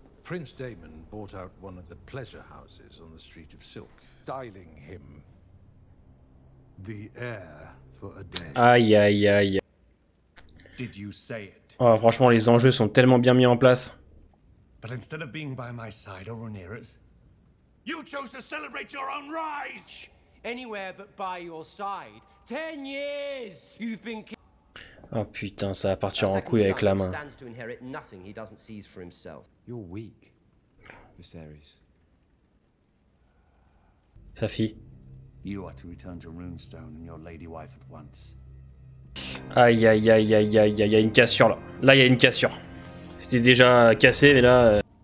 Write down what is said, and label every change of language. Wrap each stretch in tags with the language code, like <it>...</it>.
<en>Prince Damon bought out one of the pleasure houses on the Street of Silk, styling him the heir for a day.</en> <fr>Aïe aïe aïe.</fr> <en>Did you say it?</en> <fr>Oh, franchement, les enjeux sont tellement bien mis en place.</fr> <en>But instead of being by my side or Rhaenyra's, you chose to celebrate your own rise. Anywhere but by your side. 10 years you've been.</en> <fr>Oh putain, ça va partir en couille avec la main.</fr> <en>Stands to inherit nothing he doesn't seize for himself. You're weak, Viserys.</en> <fr>Sa fille.</fr> <en>You are to return to Runestone and your lady wife at once.</en> <fr>Aïe aïe aïe aïe aïe aïe aïe, il y a une cassure là. Là il y a une cassure. C'était déjà cassé mais là.</fr>